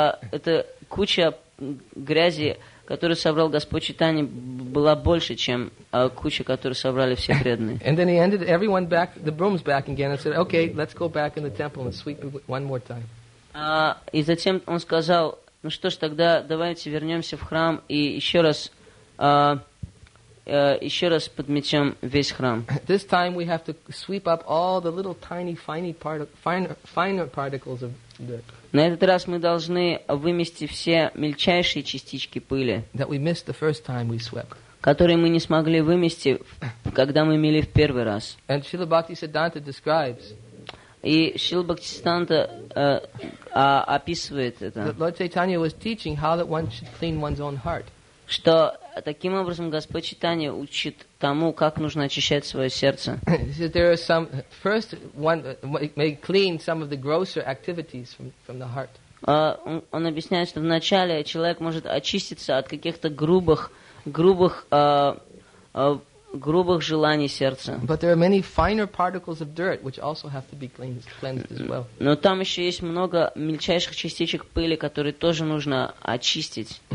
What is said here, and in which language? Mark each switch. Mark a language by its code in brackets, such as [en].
[ru] Эта куча грязи, которую собрал Господь Чайтанья, была больше, чем куча, которую собрали все преданные. [en] And then he handed everyone back the brooms back again and said, "Okay, let's go back in the temple and sweep it one more time." [ru] И затем он сказал: "Ну что ж, тогда давайте вернемся в храм и еще раз подметем весь храм." [en] This time we have to sweep up all the little tiny, finer particles of dirt. [ru] На этот раз мы должны вымести все мельчайшие частички пыли, [en] that we missed the first time we swept, [ru] которые мы не смогли вымести, когда мы мели в первый раз. [en] And Śrīla Bhaktisiddhānta describes, [ru] и Śrīla Bhaktisiddhānta описывает это, [en] that Lord Chaitanya was teaching how that one should clean one's own heart. [ru] что таким образом Господь Читания учит тому, как нужно очищать свое сердце. [en] There are some first one may clean some of the grosser activities from the heart. [ru] Он объясняет, что вначале человек может очиститься от каких-то грубых желаний сердца. [en] But there are many finer particles of dirt which also have to be cleansed as well. [ru] Но там еще есть много мельчайших частичек пыли, которые тоже нужно очистить.